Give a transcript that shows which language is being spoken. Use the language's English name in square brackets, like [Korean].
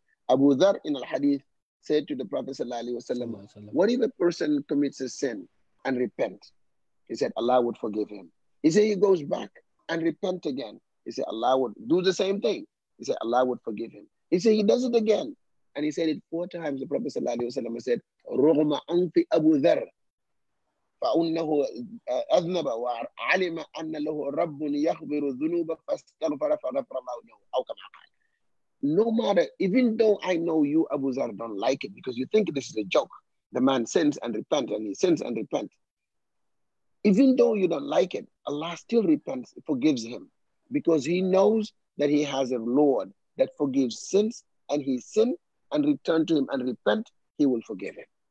[English] Abu Dharr in al-Hadith said to the Prophet Sallallahu Alaihi Wasallam, what if a person commits a sin and repents? He said, Allah would forgive him. He said, he goes back and repent again. He said, Allah would do the same thing. He said, Allah would forgive him. He said, he does it again. And he said it four times. The Prophet Sallallahu Alaihi Wasallam said, [Arabic] رُغْمَ أَنْفِ أَبُو ذَرْ فَأُنَّهُ أَذْنَبَ وَعَلِمَ أَنَّ لَهُ رَبٌ يَخْبِرُ ذُنُوبَ فَاسْتَغْفَرَ فَغَفْرَ لَهُ أَوْ كَمَا قَالَ. [English] No matter, even though I know you, Abu Zar, don't like it because you think this is a joke. The man sins and repents, and he sins and repents. Even though you don't like it, Allah still repents, forgives him, because he knows that he has a Lord that forgives sins, and he sin and return to him and repent, he will forgive him.